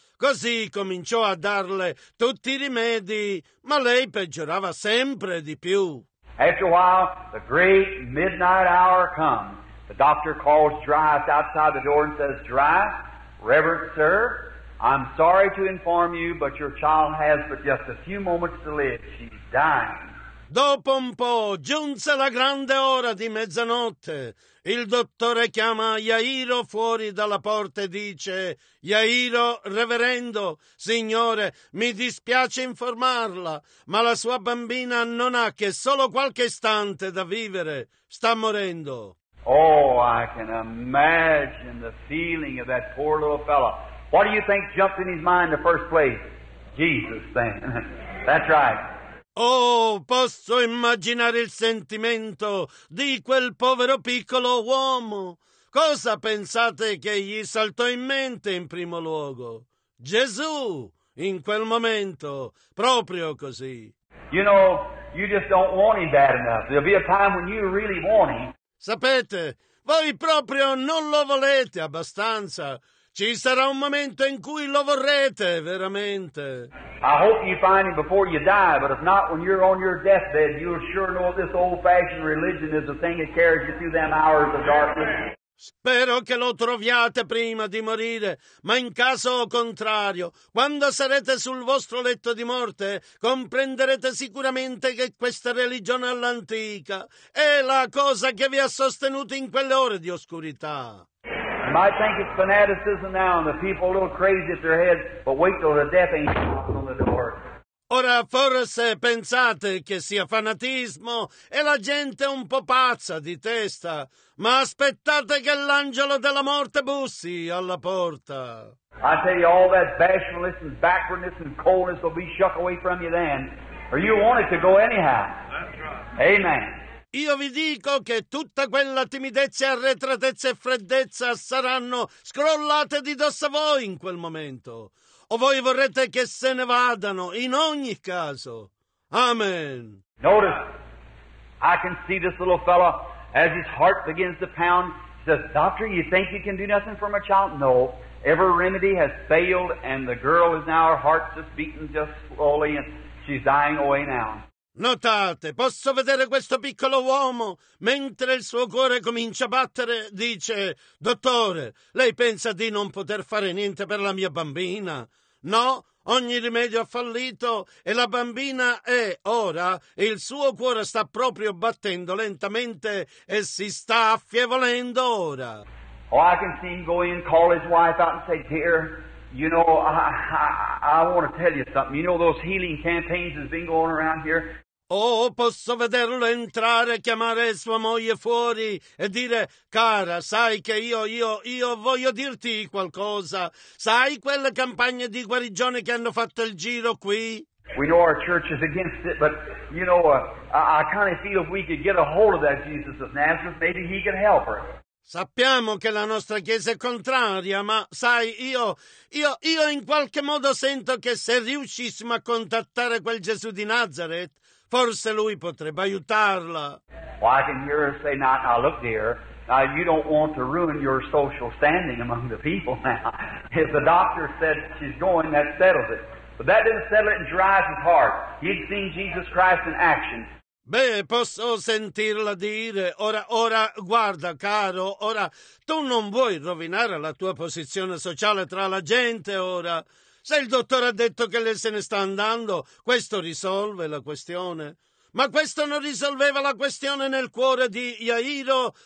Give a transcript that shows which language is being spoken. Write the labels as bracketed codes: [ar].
[it] Così cominciò a darle tutti i rimedi, ma lei peggiorava sempre di più. [en] After a while, the great midnight hour comes. The doctor calls Jairus outside the door and says, Jairus, reverend sir, I'm sorry to inform you, but your child has but just a few moments to live. She's dying. [it] Dopo un po', giunse la grande ora di mezzanotte. Il dottore chiama Jairo fuori dalla porta e dice, Jairo, reverendo, signore, mi dispiace informarla, ma la sua bambina non ha che solo qualche istante da vivere. Sta morendo. [en] Oh, I can imagine the feeling of that poor little fellow. What do you think jumped in his mind in the first place? Jesus, then. That's right. [it] Oh, posso immaginare il sentimento di quel povero piccolo uomo. Cosa pensate che gli saltò in mente in primo luogo? Gesù, in quel momento, proprio così. [en] You know, you just don't want him bad enough. There'll be a time when you really want him. [it] Sapete, voi proprio non lo volete abbastanza. Ci sarà un momento in cui lo vorrete, veramente. [en] I hope you find him before you die, but if not, when you're on your deathbed, you'll sure know this old-fashioned religion is the thing that carries you through them hours of darkness. [it] Spero che lo troviate prima di morire, ma in caso contrario, quando sarete sul vostro letto di morte, comprenderete sicuramente che questa religione all'antica è la cosa che vi ha sostenuto in quelle ore di oscurità. [en] You might think it's fanaticism now and the people a little crazy at their heads, but wait till the death angel knocks on the door. [it] Ora forse pensate che sia fanatismo e la gente un po' pazza di testa, ma aspettate che l'angelo della morte bussi alla porta. [en] I tell you, all that bashfulness and backwardness and coldness will be shook away from you then, or you want it to go anyhow. That's right. Amen. [it] Io vi dico che tutta quella timidezza, arretratezza e freddezza saranno scrollate di dosso a voi in quel momento. O voi vorrete che se ne vadano in ogni caso. Amen. [en] Notice, I can see this little fellow as his heart begins to pound. He says, doctor, you think you can do nothing for my child? No, every remedy has failed and the girl is now, her heart just beating just slowly and she's dying away now. [it] Notate, posso vedere questo piccolo uomo, mentre il suo cuore comincia a battere, dice, dottore, lei pensa di non poter fare niente per la mia bambina? No, ogni rimedio ha fallito e la bambina è ora, e il suo cuore sta proprio battendo lentamente e si sta affievolendo ora. [en] Oh, I can see him go in, call his wife out and say, dear, you know, I want to tell you something. You know those healing campaigns that's been going around here? [it] Oh, posso vederlo entrare, chiamare sua moglie fuori e dire: cara, sai che io voglio dirti qualcosa. Sai quelle campagne di guarigione che hanno fatto il giro qui? [en] We know our church is against it, but you know, I kind of feel if we could get a hold of that Jesus of Nazareth, maybe he could help her. [it] Sappiamo che la nostra chiesa è contraria, ma sai, io in qualche modo sento che se riuscissimo a contattare quel Gesù di Nazareth, forse lui potrebbe aiutarla. [en] Well, I can hear her say, now look, dear, now you don't want to ruin your social standing among the people now. If the doctor said she's going, that settles it. But that didn't settle it in Jairus' heart. He'd seen Jesus Christ in action. [it] Beh, posso sentirla dire, ora, guarda, caro, ora, tu non vuoi rovinare la tua posizione sociale tra la gente, ora. Se il dottore ha detto che lei se ne sta andando, questo risolve la questione. Ma questo non risolveva la questione nel cuore di Jairo.